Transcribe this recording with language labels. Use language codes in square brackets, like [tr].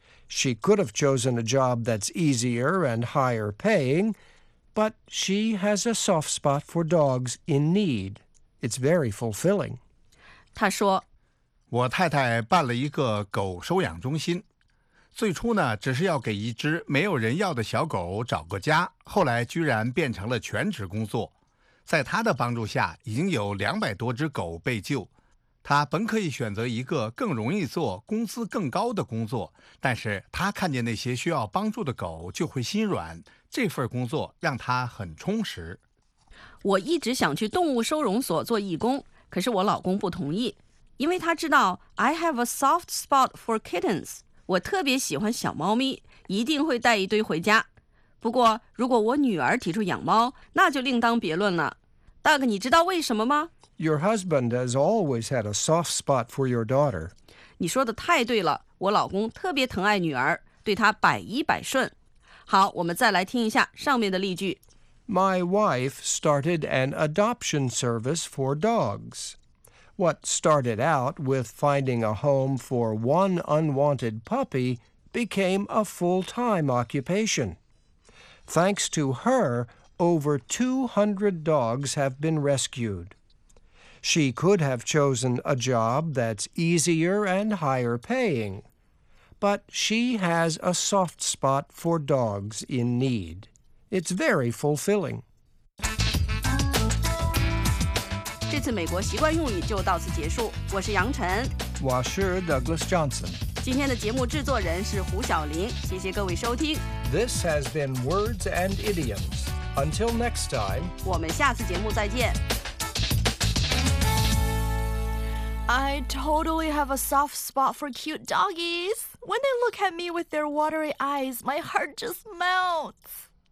[en] She could have chosen a job that's easier and higher paying, but she has a soft spot for dogs in need. It's very fulfilling. [zh] 他说，我太太办了一个狗收养中心。最初呢，只是要给一只没有人要的小狗找个家，后来居然变成了全职工作。在他的帮助下，已经有200多只狗被救。他本可以选择一个更容易做、工资更高的工作，但是他看见那些需要帮助的狗就会心软，这份工作让他很充实。我一直想去动物收容所做义工，可是我老公不同意，因为他知道 [en] I have a soft spot for kittens， [zh] 我特别喜欢小猫咪，一定会带一堆回家。不过如果我女儿提出养猫，那就另当别论了。 Doug， 你知道为什么吗？ [en] Your husband has always had a soft spot for your daughter. [zh] 你说的太对了，我老公特别疼爱女儿，对她百依百顺。好，我们再来听一下上面的例句。 [en] My wife started an adoption service for dogs. What started out with finding a home for one unwanted puppy became a full-time occupation. Thanks to her, over 200 dogs have been rescued. She could have chosen a job that's easier and higher paying, but she has a soft spot for dogs in need. It's very fulfilling. [zh] 这次美国习惯用语就到此结束。我是杨晨，我是 Douglas Johnson。今天的节目制作人是胡晓林。谢谢各位收听。 [en] This has been Words and Idioms. Until next time. [zh] 我们下次节目再见。 [en] I totally have a soft spot for cute doggies. When they look at me with their watery eyes, my heart just melts.